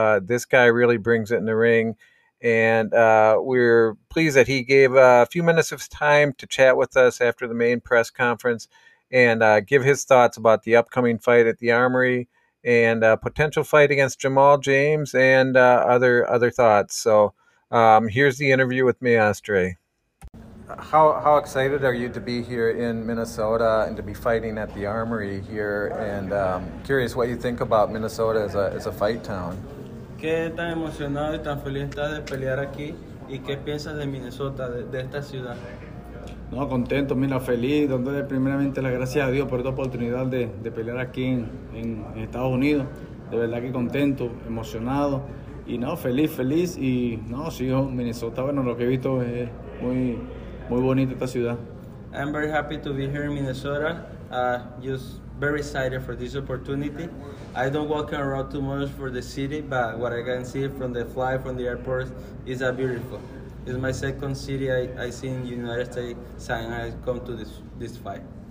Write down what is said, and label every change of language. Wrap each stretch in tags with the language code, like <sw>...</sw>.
<en>This guy really brings it in the ring. And we're pleased that he gave a few minutes of his time to chat with us after the main press conference and give his thoughts about the upcoming fight at the Armory and a potential fight against Jamal James and other thoughts. So here's the interview with Maestre. How excited are you to be here in Minnesota and to be fighting at the Armory here? And curious what you think about Minnesota as a fight town.</en> <es>¿Qué tan emocionado y tan feliz estás de pelear aquí? ¿Y qué piensas de Minnesota, de esta ciudad? No, contento, mira, feliz. Dándole primeramente las gracias a Dios por esta oportunidad de pelear aquí en Estados Unidos. De verdad que contento, emocionado. Y no, feliz. Y no, sí, Minnesota, bueno, lo que he visto es muy, muy bonito esta ciudad.</es> <en>I'm very happy to be here in Minnesota. Just very excited for this opportunity. I don't walk around too much for the city, but what I can see from the fly from the airport is a beautiful. It's my second city I see in the United States and I come to this fight.</en>